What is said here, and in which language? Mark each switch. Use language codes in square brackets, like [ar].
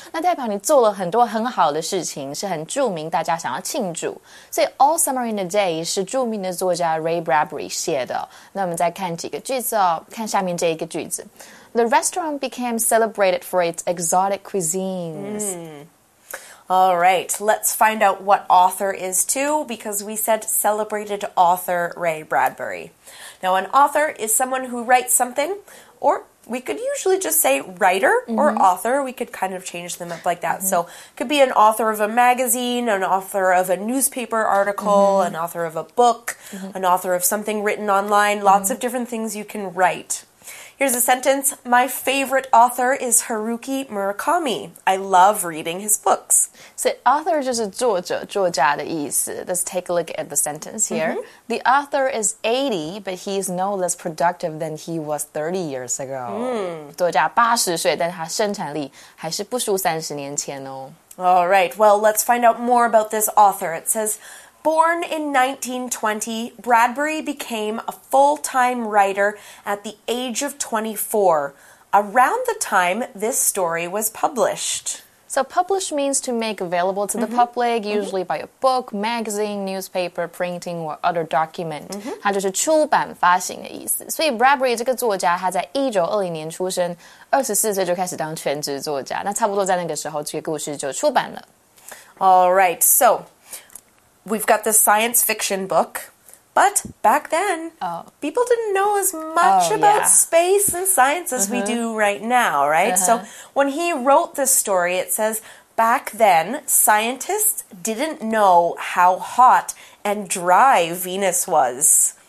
[zh] 那代表你做了很多很好的事情是很著名大家想要庆祝。所以 All Summer in a Day 是著名的作家 Ray Bradbury 写的。那我们再看几个句子哦。看下面这一个句子。 [en] The restaurant became celebrated for its exotic cuisines. All right, let's find out what author is too, because we said celebrated author Ray Bradbury. Now, an author is someone who writes something, or we could usually just say writer or author. We could kind of change them up like that. Mm-hmm. So it could be an author of a magazine, an author of a newspaper article, an author of a book, an author of something written online, lots of different things you can write. Here's a sentence. My favorite author is Haruki Murakami. I love reading his books. [zh] So author 就是作者作家的意思。 [en] Let's take a look at the sentence here. Mm-hmm. The author is 80, but he is no less productive than he was 30 years ago. [zh] 作家80岁，但他生产力还是不输30年前哦。 [en] All right. Well, let's find out more about this author. It says... Born in 1920, Bradbury became a full-time writer at the age of 24, around the time this story was published. So published means to make available to the public, usually by a book, magazine, newspaper, printing, or other document. [zh] 它就是出版发行的意思。所以 Bradbury 这个作家他在1920年出生，24岁就开始当全职作家。那差不多在那个时候，这个故事就出版了。 [en] All right, so... We've got this science fiction book, but back then, people didn't know as much about space and science as we do right now, right? So when he wrote this story, it says, back then, scientists didn't know how hot and dry Venus was.